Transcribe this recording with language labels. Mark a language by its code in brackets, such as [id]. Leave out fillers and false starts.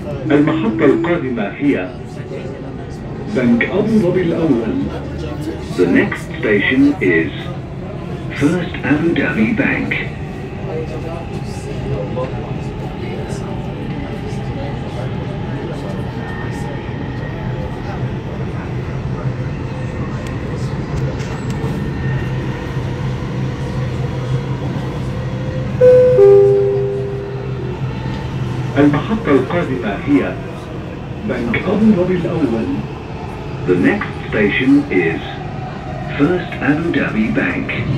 [ar] المحطة القادمة هي بنك أبو ظبي الأول. [en] The next station is First Abu Dhabi Bank. [ar] المحطة القادمة هي بنك أبو ظبي الأول. [en] The next station is First Abu Dhabi Bank.